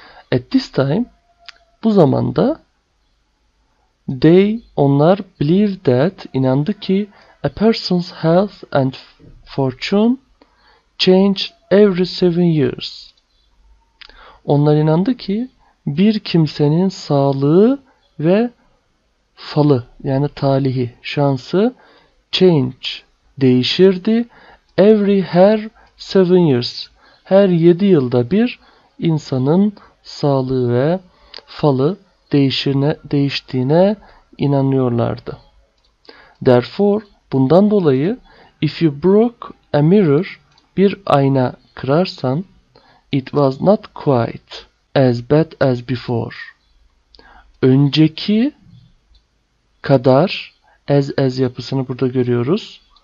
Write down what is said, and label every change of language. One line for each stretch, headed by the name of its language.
English: At this time,
Turkish: bu zamanda,
English: they,
Turkish: onlar
English: believe that,
Turkish: inandı ki,
English: a person's health and fortune change every 7 years.
Turkish: Onlar inandı ki, bir kimsenin sağlığı ve falı, yani talihi, şansı, change, değişirdi, every her 7 years, her 7 yılda bir insanın sağlığı ve falı değiştiğine inanıyorlardı.
English: Therefore,
Turkish: bundan dolayı,
English: if you broke a mirror,
Turkish: bir ayna kırarsan,
English: it was not quite as bad as before.
Turkish: Önceki kadar, as yapısını burada görüyoruz.